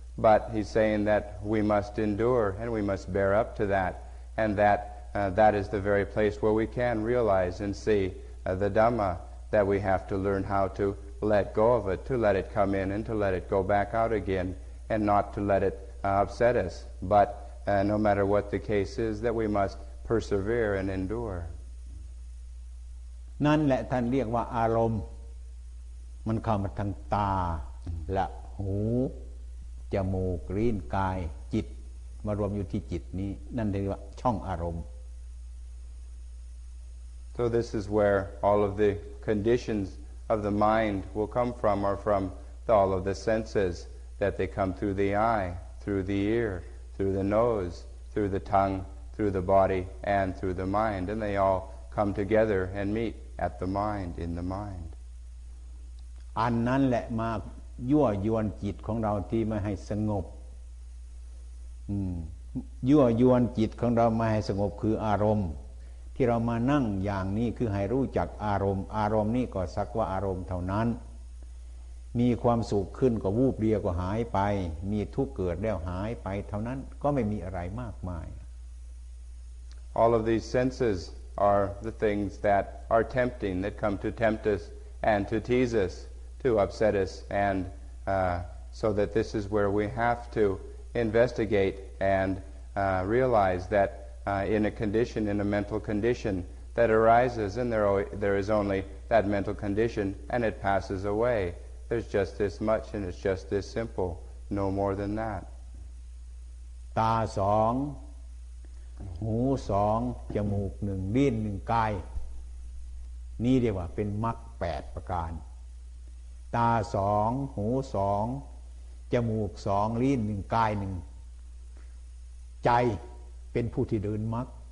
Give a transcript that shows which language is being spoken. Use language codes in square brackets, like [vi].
[en] But he's saying that we must endure and we must bear up to that, and that that is the very place where we can realize and see the Dhamma, that we have to learn how to let go of it, to let it come in and to let it go back out again. And not to let it upset us, but no matter what the case is, that we must persevere and endure. [th] นั่นแหละท่านเรียกว่าอารมณ์มันเข้ามาทางตาและหูจมูกลิ้นกายจิตมารวมอยู่ที่จิตนี้นั่นเรียกว่าช่องอารมณ์ [en] So this is where all of the conditions of the mind will come from, or from all of the senses. That they come through the eye, through the ear, through the nose, through the tongue, through the body, and through the mind, and they all come together and meet at the mind, in the mind. [th] อันนั้นแหละมายั่วยวนจิตของเราที่ไม่ให้สงบยั่วยวนจิตของเราไม่ให้สงบคืออารมณ์ที่เรามานั่งอย่างนี้คือให้รู้จักอารมณ์อารมณ์นี่ก็สักว่าอารมณ์เท่านั้นมีความสุขขึ้นก็วูบเดียวก็หายไปมีทุกข์เกิดแล้วหายไปเท่านั้นก็ไม่มีอะไรมากมาย [en] All of these senses are the things that are tempting that come to tempt us and to tease us to upset us and so that this is where we have to investigate and realize that in a condition in a mental condition that arises and there is only that mental condition and it passes awayThere's just this much, and it's just this simple, no more than that. [th] ตาสองหูสองจมูกหนึ่งลิ้นหนึ่งกายนี่เรียกว่าเป็นมรรคแปดประการตาสองหูสองจมูกสองลิ้นหนึ่งกายหนึ่งใจเป็นผู้ที่เดินมรรค